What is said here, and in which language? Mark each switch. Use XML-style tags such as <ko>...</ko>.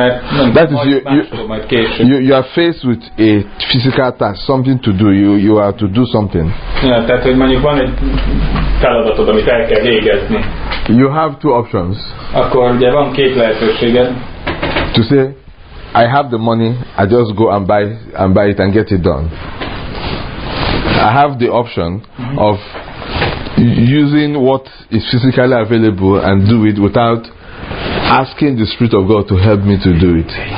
<en>You are faced with a physical task, something to do. You are to do something.</en> <hu>Yeah, tehát hogy mondjuk van egy feladatod, amit el kell végezni.</hu> <en>You have two options.</en> <hu>Akkor ugye van két lehetőséged.</hu> <en>To say, I have the money, I just go and buy it and get it done. I have the option of using what is physically available and do it without asking the Spirit of God to help me to do it.</en>